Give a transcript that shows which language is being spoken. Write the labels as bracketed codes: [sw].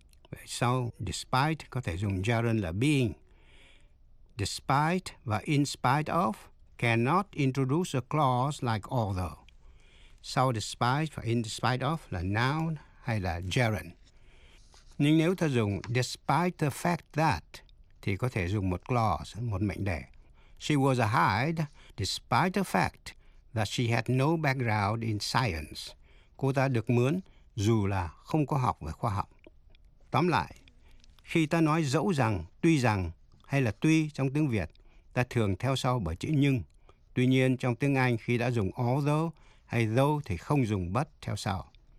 [vi] Vậy sau despite có thể dùng gerund là being. [en] Despite và in spite of cannot introduce a clause like although. [vi] Sau despite và in spite of là noun hay là gerund. Nhưng nếu ta dùng despite the fact that thì có thể dùng một clause, một mệnh đề. [en] She was a hide despite the fact that she had no background in science. [vi] Cô ta được mướn dù là không có học về khoa học. Tóm lại, khi ta nói dẫu rằng, tuy rằng hay là tuy trong tiếng Việt, ta thường theo sau bởi chữ nhưng. Tuy nhiên trong tiếng Anh khi đã dùng although hay though thì không dùng but theo sau.